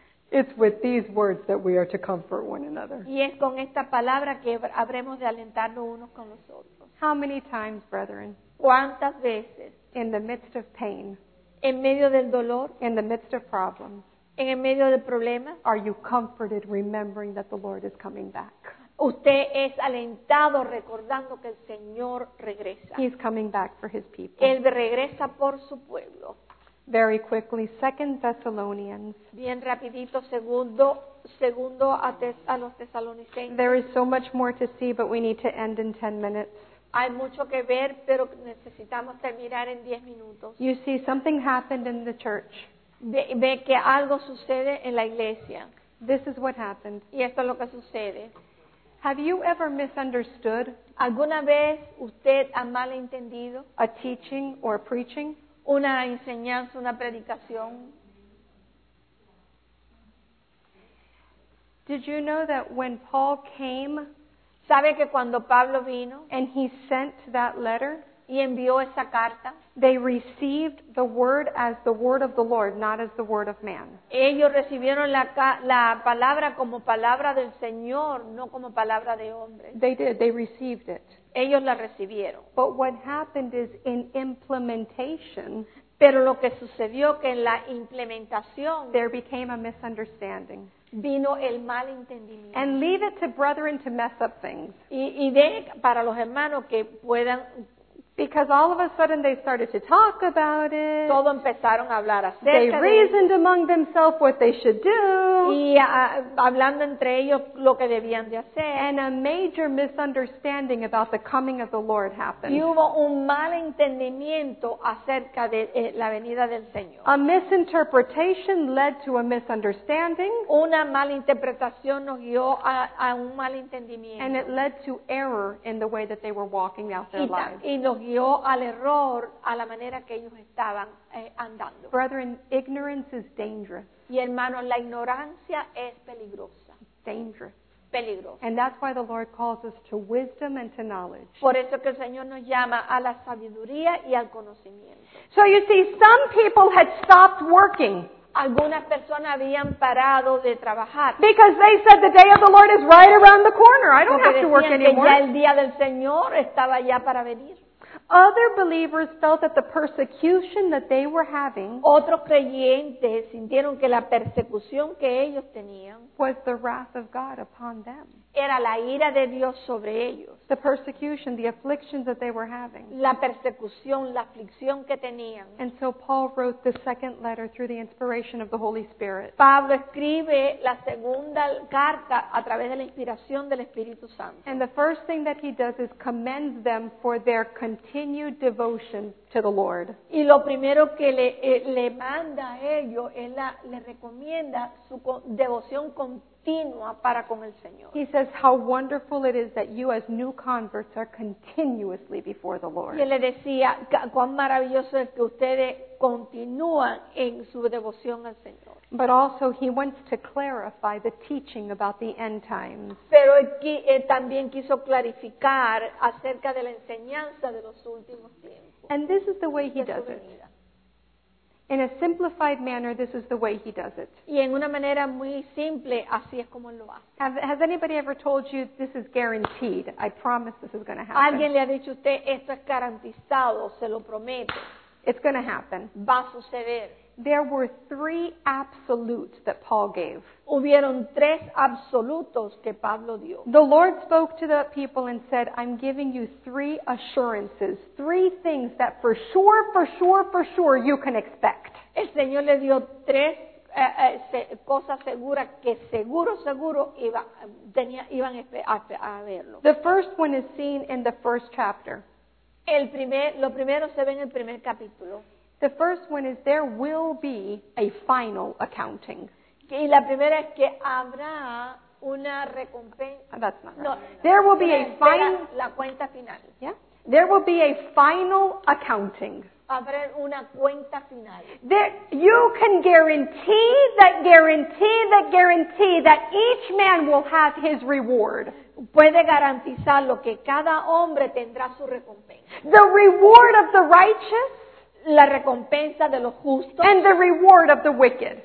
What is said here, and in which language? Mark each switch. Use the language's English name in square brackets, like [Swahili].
[English] It's with these words that we are to comfort one another. [Spanish] Y es con esta palabra que habremos de alentarnos unos con los otros. [English] How many times, brethren? [Spanish] ¿Cuántas veces? [English] In the midst of pain. [Spanish] En medio del dolor. [English] In the midst of problems. [Spanish] En el medio del problema. [English] Are you comforted remembering that the Lord is coming back? [Spanish] Usted es alentado recordando que el Señor regresa. [English] He's coming back for His people. [Spanish] Él regresa por su pueblo. [English] Very quickly, 2 Thessalonians. [Spanish] Bien rapidito, segundo a los tesalonicenses. [English] There is so much more to see, but we need to end in 10 minutes. [Spanish] Hay mucho que ver, pero necesitamos terminar en 10 minutos. [English] You see, something happened in the church. [Spanish] Ve que algo sucede en la iglesia. [English] This is what happened. [Spanish] Y esto es lo que sucede. [English] Have you ever misunderstood? [Spanish] ¿Alguna vez usted ha malentendido? [English] A teaching or a preaching? [Spanish] Una enseñanza, una predicación. [English] Did you know that when Paul came, [Spanish] ¿sabe que cuando Pablo vino, [English] and he sent that letter, [Spanish] y envió esa carta, [English] they received the word as the word of the Lord, not as the word of man. [Spanish] Ellos recibieron la palabra como palabra del Señor, no como palabra de hombre. [English] They did. They received it. [Spanish] Ellos la recibieron. [English] But what happened is in implementation. [Spanish] Pero lo que sucedió que en la implementación, [English] there became a misunderstanding. [Spanish] Vino el mal entendimiento. [English] And leave it to brethren to mess up things. [Spanish] Y de para los hermanos que puedan. [English] Because all of a sudden they started to talk about it. [Spanish] Todo empezaron a hablar acerca de. [English] They reasoned among themselves what they should do. [Spanish] Y hablando entre ellos lo que debían de hacer. [English] And a major misunderstanding about the coming of the Lord happened. [Spanish] Y hubo un mal entendimiento acerca de la venida del Señor. [English] A misinterpretation led to a misunderstanding. [Spanish] Una mala interpretación nos guió a un mal entendimiento. [English] And it led to error in the way that they were walking out their lives. [Spanish] Guió al error a la manera que ellos estaban andando. [English] Brethren, ignorance is dangerous. [Spanish] Y hermanos, la ignorancia es peligrosa. [English] Dangerous. [Spanish] Peligrosa. [English] And that's why the Lord calls us to wisdom and to knowledge. [Spanish] Por eso que el Señor nos llama a la sabiduría y al conocimiento. [English] So you see, some people had stopped working. [Spanish] Algunas personas habían parado de trabajar. [English] Because they said the day of the Lord is right around the corner. I don't have to work anymore. [Spanish] Porque decían que ya el día del Señor estaba ya para venir. [English] Other believers felt that the persecution that they were having, [Spanish] otros creyentes sintieron que la persecución que ellos tenían, [English] was the wrath of God upon them. [Spanish] Era la ira de Dios sobre ellos. [English] The persecution, the afflictions that they were having. [Spanish] La persecución, la aflicción que tenían. [English] And so Paul wrote the second letter through the inspiration of the Holy Spirit. [Spanish] Pablo escribe la segunda carta a través de la inspiración del Espíritu Santo. [English] And the first thing that he does is commend them for their continued devotion to the Lord. [Spanish] Y lo primero que le manda a ellos es le recomienda su devoción continua. Para con el Señor. [English] He says how wonderful it is that you as new converts are continuously before the Lord. [Spanish] Y él le decía cuán maravilloso es que ustedes continúan en su devoción al Señor. [English] But also he wants to clarify the teaching about the end times. [Spanish] Pero aquí también quiso clarificar acerca de la enseñanza de los últimos tiempos. [English] And this is the way he does it. In a simplified manner, this is the way he does it. [Spanish] Y en una manera muy simple, así es como lo hace. [English] Has anybody ever told you this is guaranteed? I promise this is going to happen. [Spanish] ¿Alguien le ha dicho usted esto es garantizado? Se lo prometo. [English] It's going to happen. [Spanish] Va a suceder. [English] There were three absolutes that Paul gave. [Spanish] Hubieron tres absolutos que Pablo dio. [English] The Lord spoke to the people and said, I'm giving you three assurances, three things that for sure, for sure, for sure you can expect. [Spanish] El Señor le dio tres cosas seguras que seguro, seguro iban a verlo. [English] The first one is seen in the first chapter. [Spanish] Lo primero se ve en el primer capítulo. [English] The first one is there will be a final accounting. [Spanish] Y la primera es que habrá una recompensa. [English] That's not right. No, there will be a final. [Spanish] La cuenta final. [English] Yeah. There will be a final accounting. [Spanish] Habrá una cuenta final. [English] There, you can guarantee that guarantee that guarantee that each man will have his reward. [Spanish] Puede garantizar lo que cada hombre tendrá su recompensa. [English] The reward of the righteous. [Spanish] La recompensa de los justos. [English] And the reward of the wicked.